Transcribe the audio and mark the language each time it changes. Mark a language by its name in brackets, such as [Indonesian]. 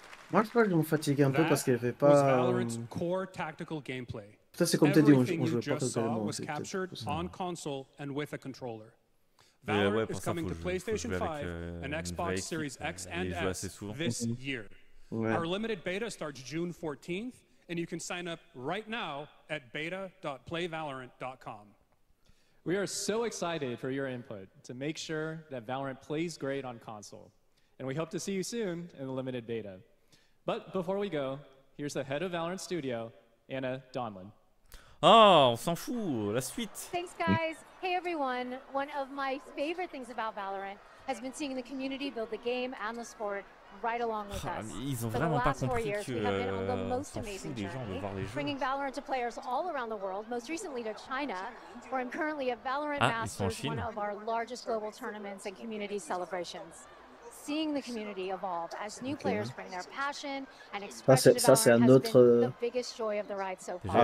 [French] Moi, je crois que je me fatiguais un peu parce qu'il n'y avait pas. Ça, c'est comme t'as dit, on jouait pas totalement. Mais ouais, pour ça, faut jouer avec une Xbox Series X et S. Ouais. [English] Our limited beta starts June 14th, and you can sign up right now at beta.playvalorant.com. We are so excited for your input to make sure that Valorant plays great on console, and we hope to see you soon in the limited beta. But before we go, here's the head of Valorant Studio, Anna Donlan. [French] Oh, on s'en fout, la suite. [English] Thanks, guys. Hey, everyone. One of my favorite things about Valorant has been seeing the community build the game and the sport. Right along with us. [French] Ils ont vraiment pas compris years, que s'en fout des gens de voir les jeux. [English] Valorant to players all around the world, most recently to China, where I'm currently at Valorant Masters, one of our largest global tournaments and community celebrations. Seeing the community evolve as new players bring their passion and expression to Valorant has been the biggest joy of the ride so far.